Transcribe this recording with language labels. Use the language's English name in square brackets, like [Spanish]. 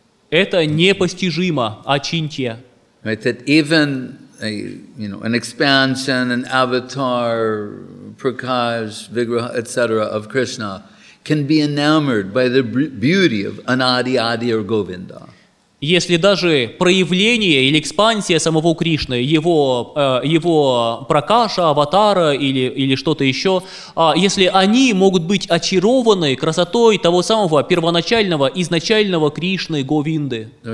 [Russian] Это непостижимо, ачинтья. [English] Right, that even an expansion, an avatar, Prakash, Vigraha, etc. of Krishna can be enamored by the beauty of Anadi Adi or Govinda. [Russian] Если даже проявление или экспансия самого Кришны, его пракаша, аватара или что-то еще, если они могут быть очарованы красотой того самого первоначального, изначального Кришны, Говинды.